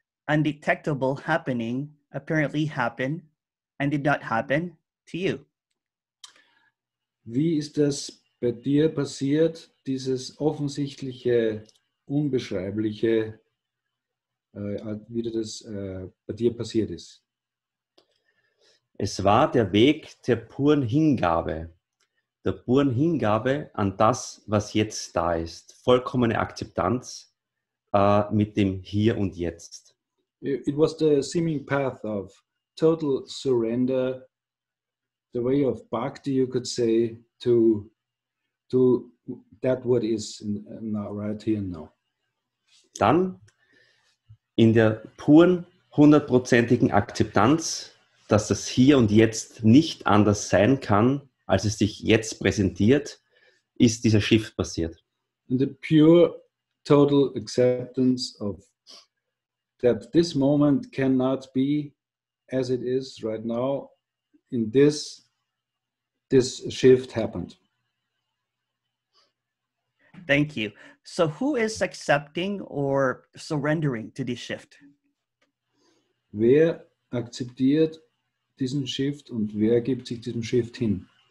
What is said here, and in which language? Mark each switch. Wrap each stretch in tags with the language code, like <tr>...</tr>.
<en>undetectable happening apparently happen and did not happen to you?</en> <de>Wie ist das bei dir passiert, dieses offensichtliche, unbeschreibliche, wie das bei dir passiert ist? Es war der Weg der puren Hingabe. Der puren Hingabe an das, was jetzt da ist. Vollkommene Akzeptanz mit dem Hier und Jetzt.</de> <en>It was the seeming path of total surrender, the way of bhakti, you could say, to that what is now, right here and now.</en> <de>Dann in der puren, hundertprozentigen Akzeptanz, dass das Hier und Jetzt nicht anders sein kann, als es sich jetzt präsentiert, ist dieser Shift passiert.</de> <en>In the pure, total acceptance of that this moment cannot be as it is right now, in this shift happened. Thank you. So who is accepting or surrendering to this shift?</en> <de>Wer akzeptiert diesen Shift und wer gibt sich diesem Shift hin?</de>